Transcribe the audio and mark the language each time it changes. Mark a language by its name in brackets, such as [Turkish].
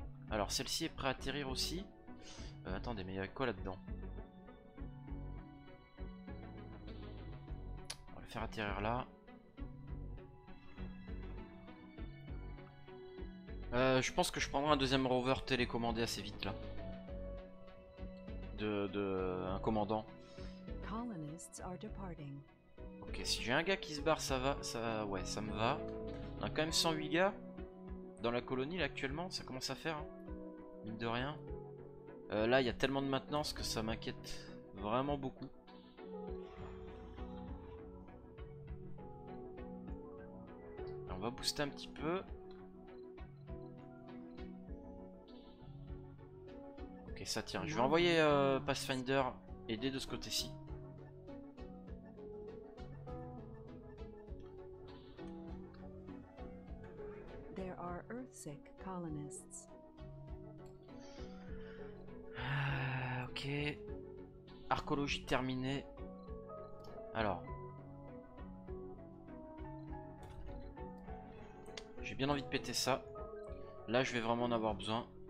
[French] Alors celle-ci est prêt à atterrir aussi. Attendez, mais il y a quoi là-dedans? On va le faire atterrir là. Je pense que je prendrai un deuxième rover télécommandé assez vite là. De un commandant. [English] Colonists are departing. [French] Ok, si j'ai un gars qui se barre, ça va, ça, ouais, ça me va. On a quand même 108 gars dans la colonie là actuellement, ça commence à faire. Hein. Mine de rien. Là, il y a tellement de maintenance que ça m'inquiète vraiment beaucoup. Alors, on va booster un petit peu. Ok, ça tient. Je vais envoyer Pathfinder aider de ce côté-ci. [English] There are Earthsick colonists. [French] Ok, archéologie terminée. Alors, j'ai bien envie de péter ça. Là, je vais vraiment en avoir besoin.